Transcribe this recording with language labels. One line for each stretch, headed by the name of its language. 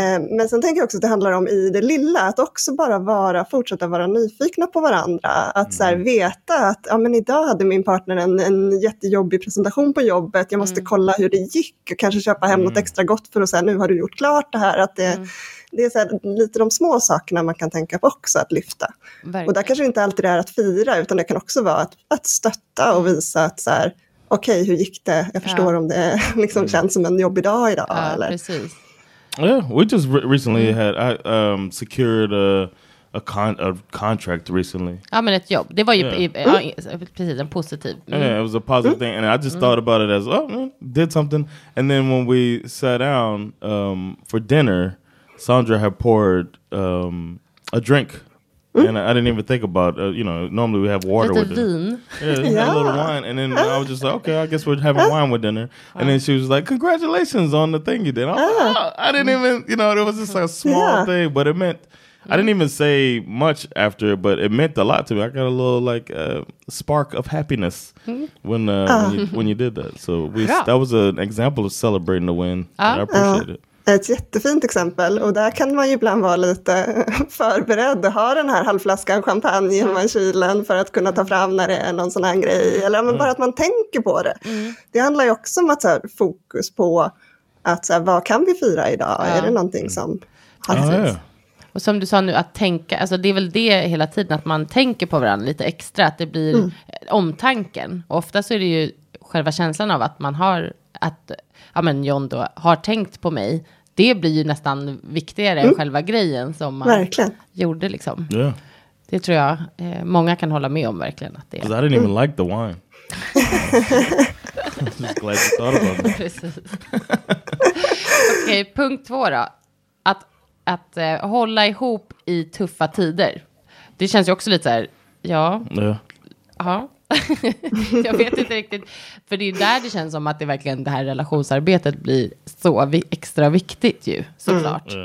Swedish: Men sen tänker jag också att det handlar om i det lilla, att också bara vara, fortsätta vara nyfikna på varandra, att så här veta att ja, men idag hade min partner en jättejobbig presentation på jobbet, jag måste kolla hur det gick och kanske köpa hem något extra gott för att säga nu har du gjort klart det här, att det det är så här, lite de små sakerna man kan tänka på också att lyfta. Verkligen. Och där kanske inte alltid är att fira, utan det kan också vara att stötta och visa att så här, okej, hur gick det? Jag förstår om det liksom känns som en jobbig dag idag. Ja, eller? Precis.
English: Yeah, we just recently had secured a contract recently.
Swedish: Ja, men ett jobb. Det var ju precis en positiv.
English: Yeah, it was a positive thing. And I just thought about it as, oh, did something. And then when we sat down for dinner, Sandra had poured a drink, and I didn't even think about it. You know, normally we have water with dinner. Yeah, a little wine, and then I was just like, okay, I guess we're having wine with dinner. And then she was like, congratulations on the thing you did. I didn't even, you know, it was just like a small thing, but it meant, I didn't even say much after, but it meant a lot to me. I got a little, like, spark of happiness when you did that. So that was an example of celebrating the win, and I appreciate it.
Swedish: Ett jättefint exempel, och där kan man ju ibland vara lite förberedd och ha den här halvflaskan champagne hemma i kylen för att kunna ta fram när det är någon sån här grej, eller bara att man tänker på det. Det handlar ju också om att så här, fokus på att så här, vad kan vi fira idag? Ja. Är det någonting som har sett? Och som du sa nu, att tänka, alltså det är väl det hela tiden, att man tänker på varandra lite extra, att det blir omtanken. Och ofta så är det ju själva känslan av att man har, att ja, men John då har tänkt på mig, det blir ju nästan viktigare än själva grejen som man gjorde liksom.
English: Yeah.
Swedish: Det tror jag många kan hålla med om verkligen. Att det är.
English: 'Cause I didn't even like the wine. I'm just glad you thought about it.
Swedish: Precis. Okej, punkt två då. Att hålla ihop i tuffa tider. Det känns ju också lite så här, ja. Ja.
English: Yeah.
Swedish: Jag vet inte riktigt, för det är där det känns som att det verkligen det här relationsarbetet blir så extra viktigt ju, såklart.